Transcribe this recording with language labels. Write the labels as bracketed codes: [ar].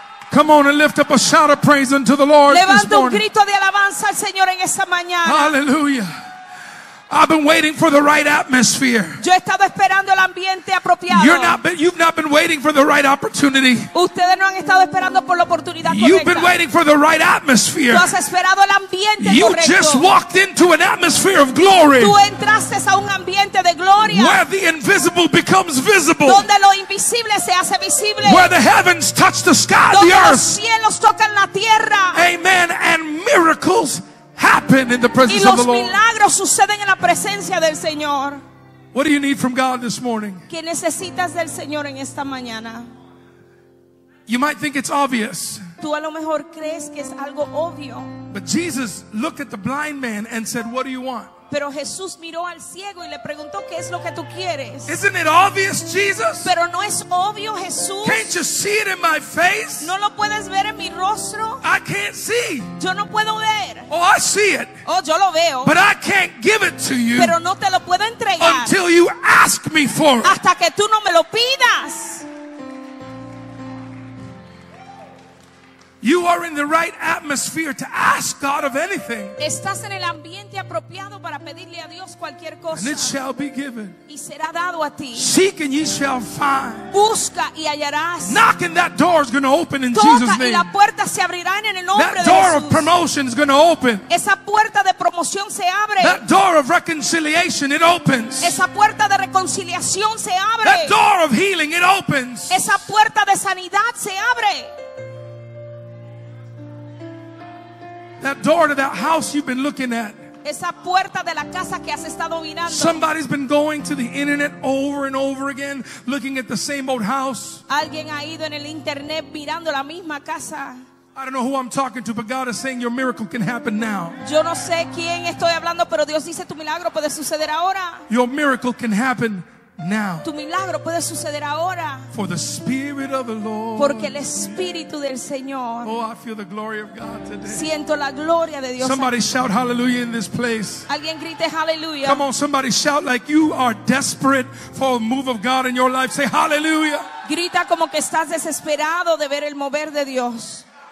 [en] Come on and lift up a shout of praise unto the Lord. [es] Levanta [en] this morning. [es] Un grito de alabanza al Señor en esta mañana. [en] Hallelujah. I've been waiting for the right atmosphere. [es] Yo he estado esperando el ambiente apropiado. [en] You've not been waiting for the right opportunity. [es] Ustedes no han estado esperando por la oportunidad correcta. [en] You've been waiting for the right atmosphere. [es] Tú has esperado el ambiente correcto. [en] You just walked into an atmosphere of glory. [es] Tú entraste a un ambiente de gloria. [en] Where the invisible becomes visible. [es] Donde lo invisible se hace visible. [en] Where the heavens touch the sky, [es] donde [en] the earth. [es] Donde los cielos tocan la tierra. [en] Amen. And miracles happen in the presence of the Lord. [es] Y los milagros suceden en la presencia del Señor. [en] What do you need from God this morning? [es] ¿Qué necesitas del Señor en esta mañana? [en] You might think it's obvious. [es] Tú a lo mejor crees que es algo obvio. [en] But Jesus looked at the blind man and said, "What do you want?" [es] Pero Jesús miró al ciego y le preguntó, ¿qué es lo que tú quieres? [en] Isn't it obvious, Jesus? [es] Pero no es obvio, Jesús. [en] Can't you see it in my face? [es] ¿No lo puedes ver en mi rostro? [en] I can't see. [es] Yo no puedo ver. [en] Oh, I see it. [es] Oh, yo lo veo. [en] But I can't give it to you. [es] Pero no te lo puedo entregar. [en] Until you ask me for it. [es] Hasta que tú no me lo pidas. [en] You are in the right atmosphere to ask God of anything. [es] Estás en el ambiente apropiado para pedirle a Dios cualquier cosa. [en] And it shall be given. [es] Y será dado a ti. [en] Seek and ye shall find. [es] Busca y hallarás. [en] Knock and that door is going to open in [es] toca [en] Jesus' name. [es] Y la puerta se abrirá en el nombre de Jesús. [en] That door of promotion is going to open. [es] Esa puerta de promoción se abre. [en] That door of reconciliation, it opens. [es] Esa puerta de reconciliación se abre. [en] That door of healing, it opens. [es] Esa puerta de sanidad se abre. [en] That door to that house you've been looking at. [es] Esa puerta de la casa que has estado mirando. [en] Somebody's been going to the internet over and over again, looking at the same old house. [es] Alguien ha ido en el internet mirando la misma casa. [en] I don't know who I'm talking to, but God is saying your miracle can happen now. [es] Yo no sé quién estoy hablando, pero Dios dice tu milagro puede suceder ahora. [en] Your miracle can happen now. [es] Tu milagro puede suceder ahora. [en] For the Spirit of the Lord. [es] Porque el Espíritu del Señor. [en] Oh, I feel the glory of God today. [es] Siento la gloria de Dios. [en] Somebody aquí. Shout hallelujah in this place. [es] Alguien grite hallelujah. [en] Come on, somebody shout like you are desperate for a move of God in your life. Say hallelujah. [es] Grita como que estás desesperado de ver el mover de Dios.